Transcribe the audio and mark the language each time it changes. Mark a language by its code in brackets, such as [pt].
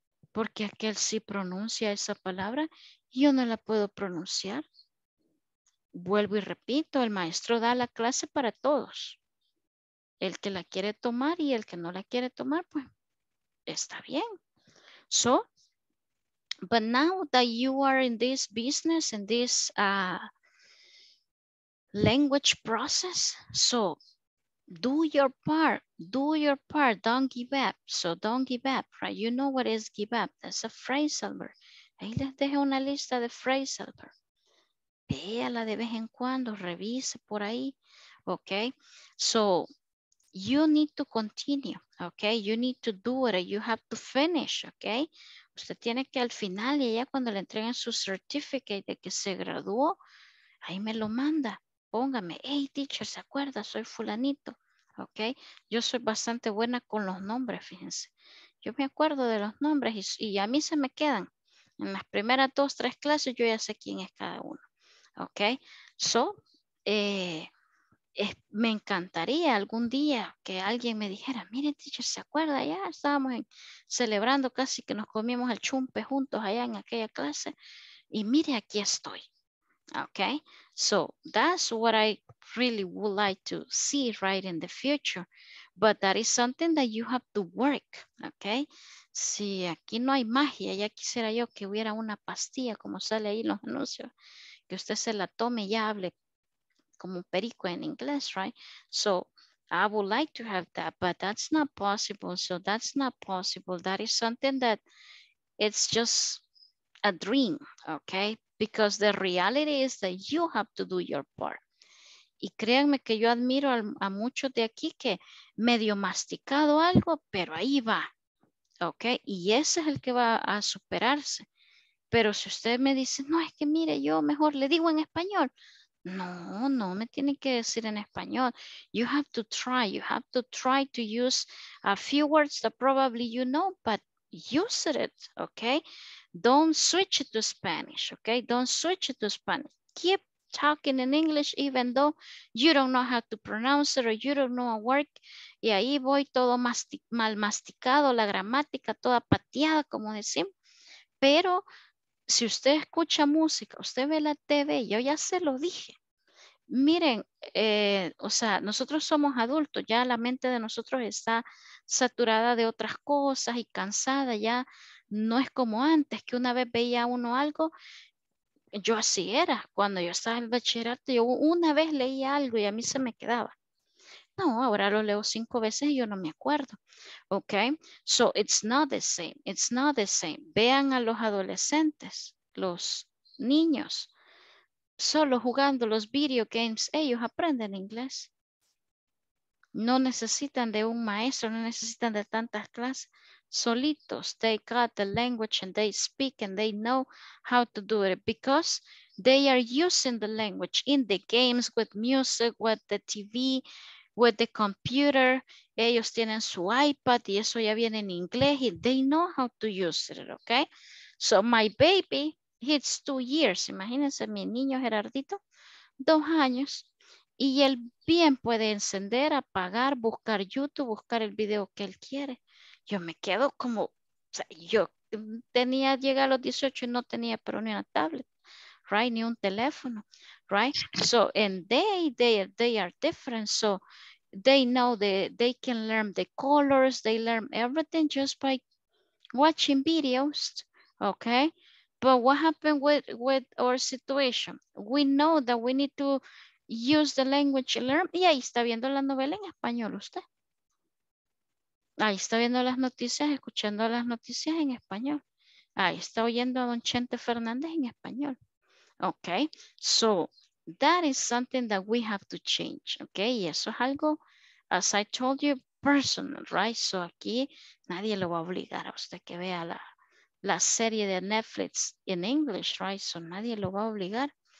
[es] ¿Por qué aquel sí pronuncia esa palabra y yo no la puedo pronunciar? Vuelvo y repito, el maestro da la clase para todos. El que la quiere tomar y el que no la quiere tomar, pues está bien. [en] So, but now that you are in this business, in this language process, so do your part, do your part, don't give up. So don't give up, right? You know what is give up. That's a phrase, Albert. [es] Ahí les dejé una lista de phrases, Albert. Véala de vez en cuando, revise por ahí, okay? [en] So you need to continue, okay? You need to do it, you have to finish, okay? [es] Usted tiene que al final, y ella cuando le entreguen su certificate de que se graduó, ahí me lo manda. Póngame, [en] hey teacher, [es] ¿se acuerda? Soy fulanito, ¿ok? Yo soy bastante buena con los nombres, fíjense. Yo me acuerdo de los nombres y a mí se me quedan. En las primeras dos, tres clases yo ya sé quién es cada uno, ¿ok? So, me encantaría algún día que alguien me dijera, mire teacher, ¿se acuerda? Ya estábamos celebrando casi que nos comimos el chumpe juntos allá en aquella clase. Y mire, aquí estoy. [en] Okay, so that's what I really would like to see right in the future, but that is something that you have to work, okay? [es] Si aquí no hay magia, ya quisiera yo que hubiera una pastilla como sale ahí en los anuncios, que usted se la tome y ya hable como un perico en inglés, right? [en] So I would like to have that, but that's not possible, so that's not possible. That is something that it's just a dream, okay? Because the reality is that you have to do your part. [es] Y créanme que yo admiro a muchos de aquí que medio masticado algo, pero ahí va. ¿Ok? Y ese es el que va a superarse. Pero si usted me dice, no, es que mire, yo mejor le digo en español. No, no me tiene que decir en español. [en] You have to try. You have to try to use a few words that probably you know, but use it, okay? Don't switch it to Spanish, okay? Don't switch it to Spanish. Keep talking in English even though you don't know how to pronounce it or you don't know a word. [es] Y ahí voy todo mal masticado, la gramática toda pateada, como decimos. Pero si usted escucha música, usted ve la TV, yo ya se lo dije. Miren, o sea, nosotros somos adultos, ya la mente de nosotros está saturada de otras cosas y cansada, ya no es como antes, que una vez veía uno algo, yo así era, cuando yo estaba en bachillerato, yo una vez leía algo y a mí se me quedaba. No, ahora lo leo 5 veces y yo no me acuerdo, ¿ok? [en] So it's not the same, it's not the same. [es] Vean a los adolescentes, los niños, solo jugando los video games, ellos aprenden inglés. No necesitan de un maestro, no necesitan de tantas clases. [en] Solitos, they got the language and they speak and they know how to do it because they are using the language in the games, with music, with the TV, with the computer. [es] Ellos tienen su iPad y eso ya viene en inglés y [en] they know how to use it, [es] okay? So [en] my baby, it's 2 years, [es] imagínense mi niño Gerardito, 2 años, y él bien puede encender, apagar, buscar YouTube, buscar el video que él quiere. Yo me quedo como, o sea, yo tenía, llegué a los 18 y no tenía pero ni una tablet, right, ni un teléfono, right? [en] So, and they are different, so they know that they can learn the colors, they learn everything just by watching videos, okay? But what happened with our situation? We know that we need to use the language learn. [es] Y ahí está viendo la novela en español usted. Ahí está viendo las noticias, escuchando las noticias en español. Ahí está oyendo a Don Chente Fernández en español. [en] Okay, so that is something that we have to change. [es] Okay, y eso es algo, [en] as I told you, [es] personal, right? So aquí nadie lo va a obligar a usted que vea la serie de Netflix [en] in English, [es] right? So nadie lo va a obligar.